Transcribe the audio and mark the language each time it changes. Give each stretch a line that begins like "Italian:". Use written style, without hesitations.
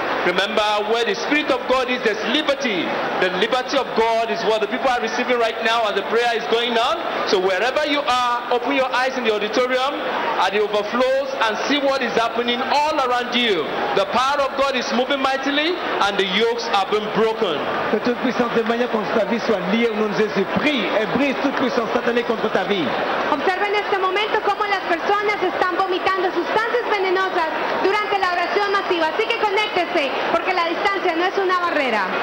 English: Remember, where the Spirit of God is, there's liberty. The liberty of God is what the people are receiving right now as the prayer is going on. So wherever you are, open your eyes in the auditorium at the overflows and see what is happening all around you. The power of God is moving mightily and the yokes have been broken.
French: Que toute puissance de manière contre ta vie soit liée au nom de Jésus. Prie et brise toute puissance satanée contre ta vie.
Spanish: Observe en este momento cómo las personas están vomitando sustancias venenosas durante la oración masiva. Así que conéctese, porque la distancia no es una barrera.